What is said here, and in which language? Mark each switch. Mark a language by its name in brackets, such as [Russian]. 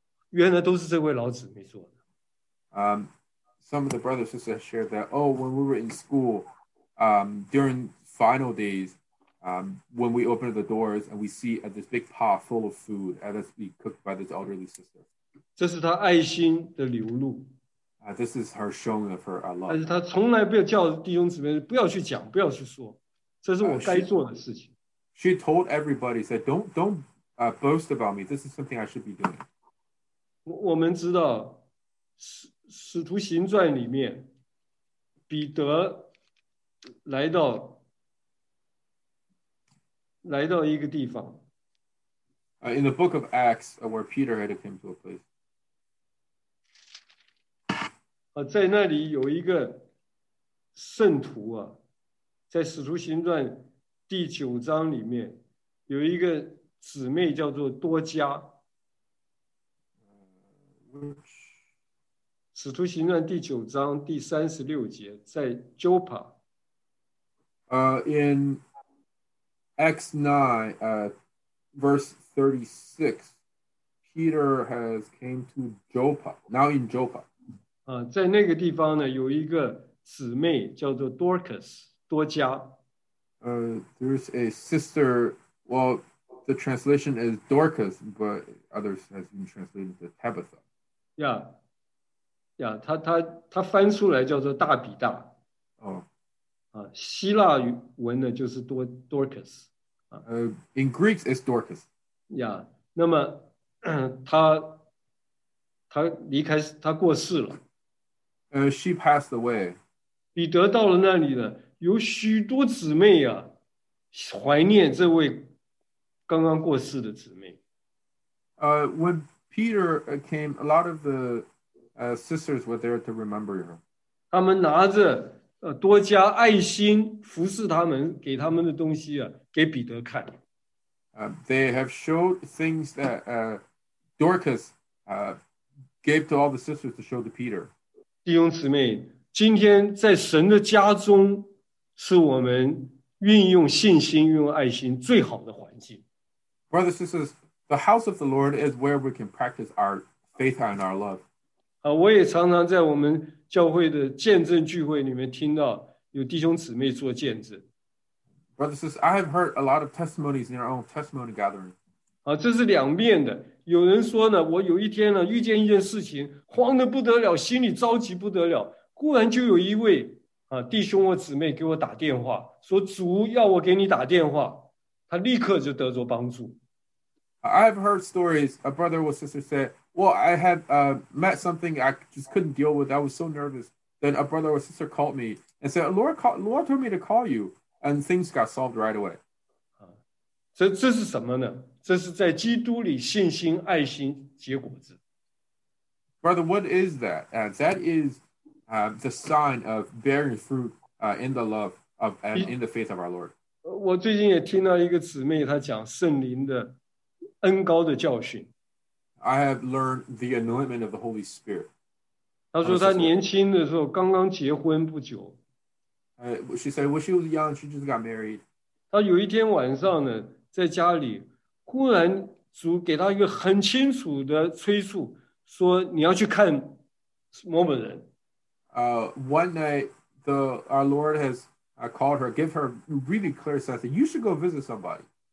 [Chinese] 原来都是这位老姊妹做的。 [English] Some of the brothers and sisters shared that, oh, when we were in school, during final days, when we opened the doors and we see this big pot full of food and it's being cooked by this elderly sister. [Chinese] 这是她爱心的流露。 [English] This is her showing of her love. [Chinese] 但是她从来不要叫弟兄姊妹不要去讲，不要去说，这是我该做的事情。 [English] She told everybody, said, don't boast about me. This is something I should be doing. [Chinese] 我们知道使徒行传里面，彼得来到一个地方。 [English] In the book of Acts, where Peter had come to a place. [Chinese] 在那里有一个圣徒啊，在使徒行传第九章里面有一个姊妹叫做多加。使徒行传第九章第三十六节，在 Joppa。 [English] In Acts 9, verse 36, Peter has came to Joppa, now in Joppa. [Chinese] 在那个地方呢，有一个姊妹叫做 Dorcas, 多加。 [English] There's a sister, well, the translation is Dorcas, but others has been translated to Tabitha. Yeah. [Chinese] 呀，他翻出来叫做大比大，希腊文呢就是Dorcas， [English] in Greek is Dorcas。 [Chinese] 呀，那么他离开，他过世了。 [English] She passed away。 [Chinese] 彼得到了那里呢，有许多姊妹啊，怀念这位刚刚过世的姊妹。 [English] When Peter came, a lot of the sisters were there to remember her. [Chinese] 他们拿着多加爱心服侍他们给他们的东西啊，给彼得看。 [English] They have showed things that Dorcas gave to all the sisters to show to Peter. [Chinese] 弟兄姊妹，今天在神的家中是我们运用信心、运用爱心最好的环境。 [English] Brothers and sisters, the house of the Lord is where we can practice our faith and our love. [Chinese] 我也常常在我们教会的见证聚会里面听到有弟兄姊妹做见证。 [English] Brothers and sisters, I have heard a lot of testimonies in our own testimony gathering. [Chinese] 这是两面的。有人说呢，我有一天呢遇见一件事情，慌得不得了，心里着急不得了，忽然就有一位弟兄或姊妹给我打电话，说主要我给你打电话，他立刻就得着帮助。 [English] I have heard stories, a brother or sister said, well, I had met something I just couldn't deal with. I was so nervous. then a brother or sister called me and said, Laura told me to call you, and things got solved right away. [Chinese] 这是什么呢? 这是在基督里信心爱心结果子。 [English] Brother, what is that? That is the sign of bearing fruit in the love of and in the faith of our Lord. [Chinese] 我最近也听到一个姊妹她讲圣灵的恩膏的教训。 [English] I have learned the anointment of the Holy Spirit. [Chinese] 她说她年轻的时候刚刚结婚不久。 [English] She said when she was young, she just got married. [Chinese] 她有一天晚上呢,在家里,忽然主给她一个很清楚的催促。说你要去看某某人。 [English] One night, our Lord has called her, give her really clear sense that you should go visit somebody.